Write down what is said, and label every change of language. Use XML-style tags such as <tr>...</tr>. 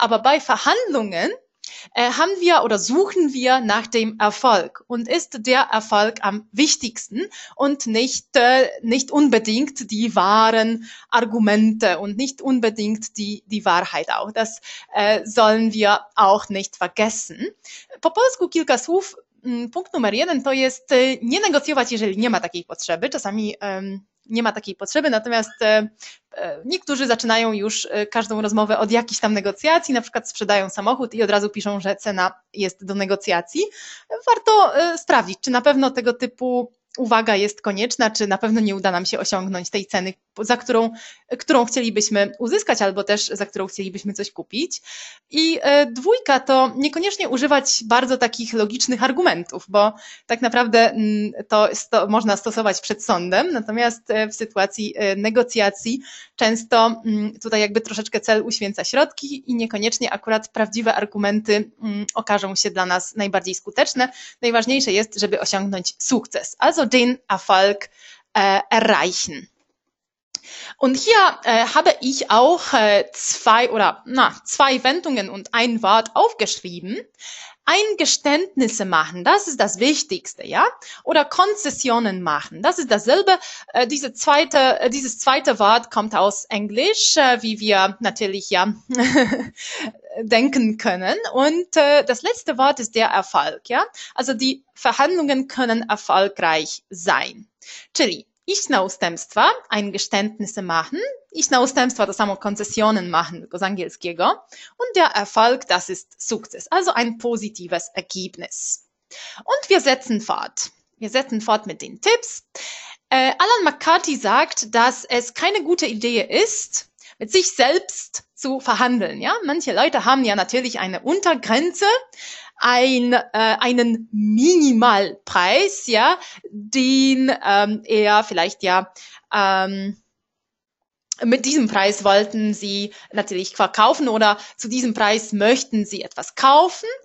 <de>Aber bei Verhandlungen haben wir oder suchen wir nach dem Erfolg und ist der Erfolg am wichtigsten und nicht unbedingt die wahren Argumente und nicht unbedingt die Wahrheit auch. Das sollen wir auch nicht vergessen.</de> <pl>Po polsku kilka słów. Punkt numer jeden to jest nie negocjować, jeżeli nie ma takiej potrzeby. Czasami nie ma takiej potrzeby, natomiast niektórzy zaczynają już każdą rozmowę od jakichś tam negocjacji, na przykład sprzedają samochód i od razu piszą, że cena jest do negocjacji. Warto sprawdzić, czy na pewno tego typu uwaga jest konieczna, czy na pewno nie uda nam się osiągnąć tej ceny, za którą chcielibyśmy uzyskać, albo też za którą chcielibyśmy coś kupić. I dwójka to niekoniecznie używać bardzo takich logicznych argumentów, bo tak naprawdę to można stosować przed sądem, natomiast w sytuacji negocjacji często tutaj jakby troszeczkę cel uświęca środki i niekoniecznie akurat prawdziwe argumenty okażą się dla nas najbardziej skuteczne. Najważniejsze jest, żeby osiągnąć sukces.</pl> <de>Also den Erfolg erreichen. Und hier habe ich auch zwei Wendungen und ein Wort aufgeschrieben. Eingeständnisse machen, das ist das Wichtigste, ja? Oder Konzessionen machen, das ist dasselbe. Dieses zweite Wort kommt aus Englisch, wie wir natürlich ja denken können. Und das letzte Wort ist der Erfolg, ja? Also die Verhandlungen können erfolgreich sein.</de> <pl>Czyli iść na ustępstwa,</pl> <de>eingeständnisse machen.</de> <pl>Iść na ustępstwa, to samo</pl> <de>konzesjonen machen,</de> <pl>tylko z angielskiego.</pl> <de>Und der Erfolg, das ist sukces. Also ein positives Ergebnis. Und wir setzen fort. Wir setzen fort mit den Tipps. Alan McCarthy sagt, dass es keine gute Idee ist, mit sich selbst zu verhandeln. Ja, manche Leute haben ja natürlich eine Untergrenze, einen Minimalpreis, ja, den er vielleicht ja mit diesem Preis wollten sie natürlich verkaufen oder zu diesem Preis möchten sie etwas kaufen.</de>